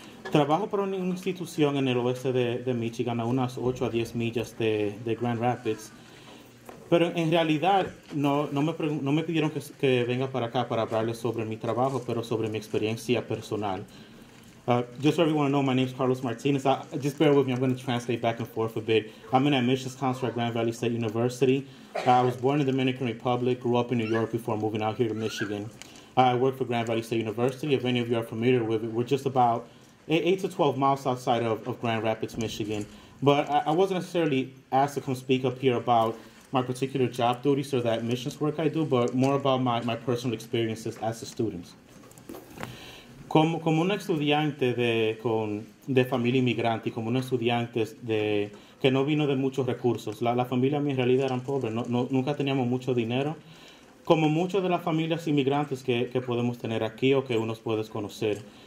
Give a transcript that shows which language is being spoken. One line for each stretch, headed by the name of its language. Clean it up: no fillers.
Spanish: Trabajo para una institución en el oeste de Michigan, a unas 8 a 10 millas de Grand Rapids. Pero en realidad no me pidieron que venga para acá para hablarles sobre mi trabajo, pero sobre mi experiencia personal.
English: Just so everyone knows, my name is Carlos Martinez. Just bear with me, I'm going to translate back and forth a bit. I'm an admissions counselor at Grand Valley State University. I was born in the Dominican Republic, grew up in New York before moving out here to Michigan. I work for Grand Valley State University. If any of you are familiar with it, we're just about 8 to 12 miles outside of Grand Rapids, Michigan. But I wasn't necessarily asked to come speak up here about my particular job duties or that admissions work I do, but more about my personal experiences as a student.
Spanish: Como un estudiante de familia inmigrante y como un estudiante que no vino de muchos recursos, la familia mía en realidad eran pobres, nunca teníamos mucho dinero. Como muchas de las familias inmigrantes que podemos tener aquí o que uno puede conocer.